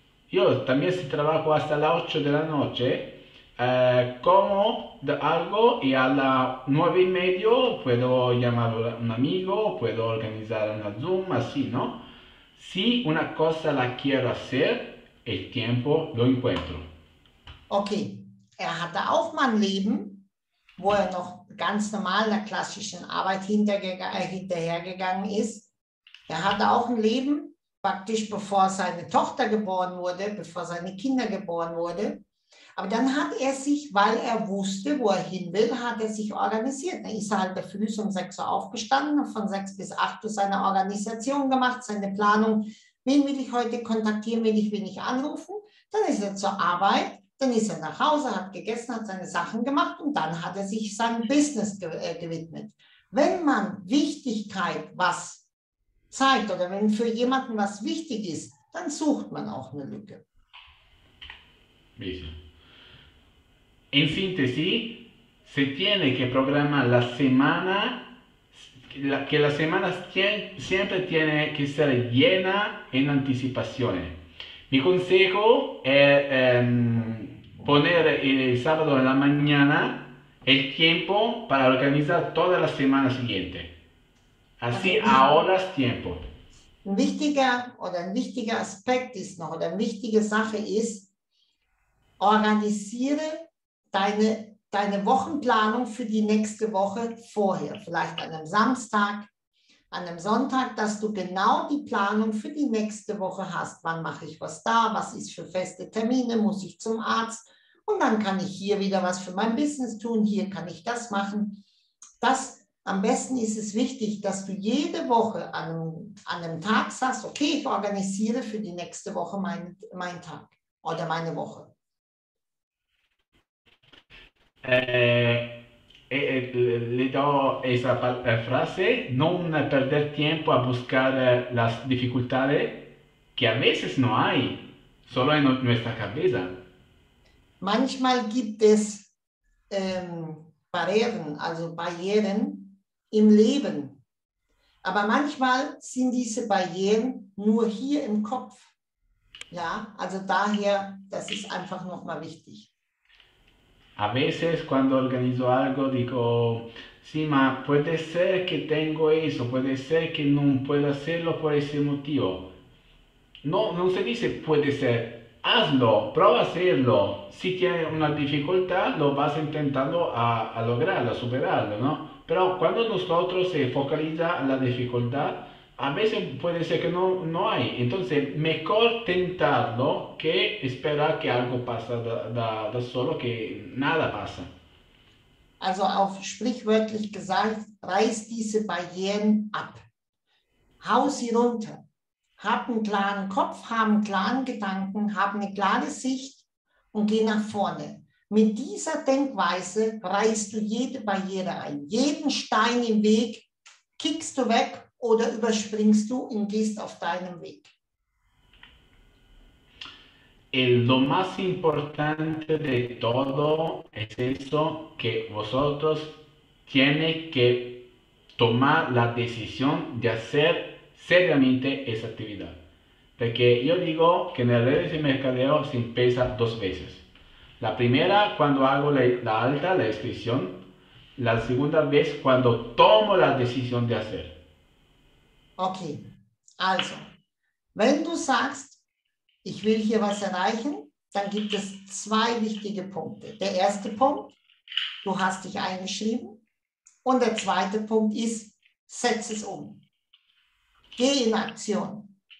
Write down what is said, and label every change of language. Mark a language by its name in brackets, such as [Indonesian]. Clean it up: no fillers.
[Spanish] Yo también si trabajo hasta las 8 de la noche, como algo y a las 9:30 puedo llamar a un amigo, puedo organizar una Zoom, así, ¿no? Si una cosa la quiero hacer, el tiempo lo encuentro. [German] Okay, er hatte auch mal ein Leben, wo er noch ganz normal der klassischen Arbeit hinterhergegangen ist. Er hatte auch ein Leben, praktisch bevor seine Tochter geboren wurde, bevor seine Kinder geboren wurden. Aber dann hat er sich, weil er wusste, wo er hin will, hat er sich organisiert. Dann ist er halt früh um 6 Uhr aufgestanden und von 6 bis 8 Uhr seine Organisation gemacht, seine Planung. Wen will ich heute kontaktieren, wen will ich anrufen? Dann ist er zur Arbeit, dann ist er nach Hause, hat gegessen, hat seine Sachen gemacht und dann hat er sich seinem Business gewidmet. Wenn man Wichtigkeit was zeigt oder wenn für jemanden was wichtig ist, dann sucht man auch eine Lücke. [Spanish] In Synthese, se tiene que programar la semana, que la semana siempre tiene que ser llena en anticipación. Mi consejo es poner el sábado en la mañana el tiempo para organizar toda la semana siguiente. Así ahora es tiempo. [German] Un wichtiger oder ein wichtiger Aspekt ist noch, oder eine wichtige Sache ist, organisiere deine Wochenplanung für die nächste Woche vorher, vielleicht an einem Samstag, an einem Sonntag, dass du genau die Planung für die nächste Woche hast. Wann mache ich was da? Was ist für feste Termine? Muss ich zum Arzt? Und dann kann ich hier wieder was für mein Business tun. Hier kann ich das machen. Das, am besten ist es wichtig, dass du jede Woche an einem Tag sagst, okay, ich organisiere für die nächste Woche mein Tag oder meine Woche. [Spanish] Le do esa frase, non perder tiempo a buscar las dificultades que a veces no hay, solo en nuestra cabeza. [German] Manchmal gibt es Barrieren im Leben, aber manchmal sind diese Barrieren nur hier im Kopf. Ja, also daher, das ist einfach nochmal wichtig. [Spanish] A veces cuando organizo algo digo, sí, ma puede ser que tengo eso, puede ser que no pueda hacerlo por ese motivo. No, no se dice puede ser, hazlo, prueba a hacerlo. Si tiene una dificultad, lo vas intentando a lograrlo, a superarlo, ¿no? Pero cuando nosotros se focaliza la dificultad, a veces puede ser que no hay. Entonces, mejor tentarlo que esperar que algo pase da solo, que nada pasa. [German] Also, auf sprichwörtlich gesagt, reiß diese Barrieren ab. Hau sie runter. Hab einen klaren Kopf, hab einen klaren Gedanken, hab eine klare Sicht und geh nach vorne. Mit dieser Denkweise reißt du jede Barriere ein. Jeden Stein im Weg kickst du weg oder überspringst du und gehst auf deinem Weg. [Spanish] Lo más importante de todo es eso, que vosotros tiene que tomar la decisión de hacer seriamente esa actividad. Porque yo digo que en las redes de mercadeo se empieza dos veces. La primera cuando hago la alta, la inscripción. La segunda vez cuando tomo la decisión de hacer. [German] Okay, also, wenn du sagst, ich will hier was erreichen, dann gibt es zwei wichtige Punkte. Der erste Punkt, du hast dich eingeschrieben. Und der zweite Punkt ist, setz es um. Geh in Aktion.